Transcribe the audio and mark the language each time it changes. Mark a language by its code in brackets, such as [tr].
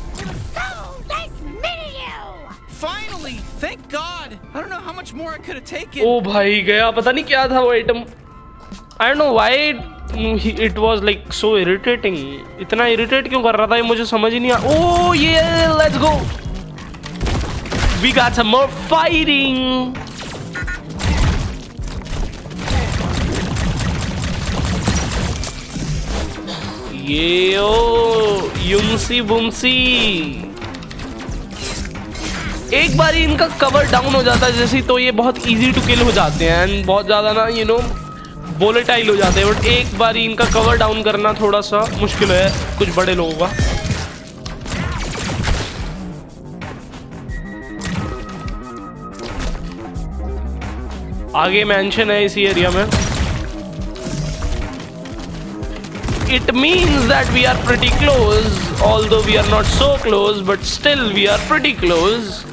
[en] It was so nice meeting you. Finally, thank God. I don't know how much more I could have taken. [hi] Oh, भाई गया. पता नहीं क्या था वो item. [en] I don't know why it was like so irritating. [hi] इतना irritate क्यों कर रहा था ये, मुझे समझ ही नहीं आ. [en] Oh yeah, let's go. We got some more fighting. [hi] ये ओ यूंसी बूंसी. एक बार इनका कवर डाउन हो जाता है जैसे, तो ये बहुत [en] easy to kill [hi] हो जाते हैं एंड बहुत ज़्यादा ना, [en] you know, [hi] वोलेटाइल हो जाते हैं. बट एक बार इनका कवर डाउन करना थोड़ा सा मुश्किल है कुछ बड़े लोगों का. आगे मेंशन है इसी एरिया में. [en] It means that we are pretty close, although we are not so close, but still we are pretty close.